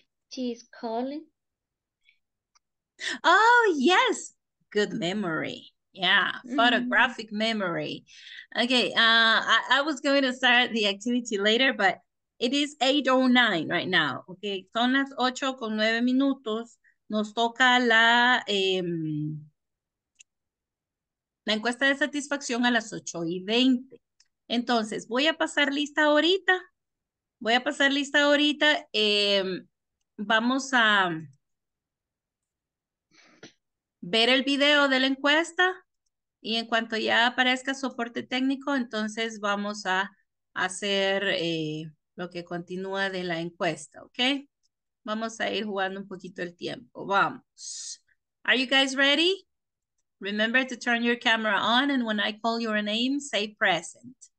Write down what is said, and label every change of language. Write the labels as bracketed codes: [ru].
[en] She's calling. Oh, yes. Good memory. Yeah, photographic memory. Okay, I was going to start the activity later, but it is 8:09 right now. [es] Okay, son las 8:09 minutos. Nos toca la encuesta de satisfacción a las 8:20. Entonces, voy a pasar lista ahorita. Voy a pasar lista ahorita. Vamos a ver el video de la encuesta y en cuanto ya aparezca soporte técnico, entonces vamos a hacer lo que continúa de la encuesta, ¿ok? Vamos a ir jugando un poquito el tiempo, vamos. [en] Are you guys ready? Remember to turn your camera on and when I call your name, say present.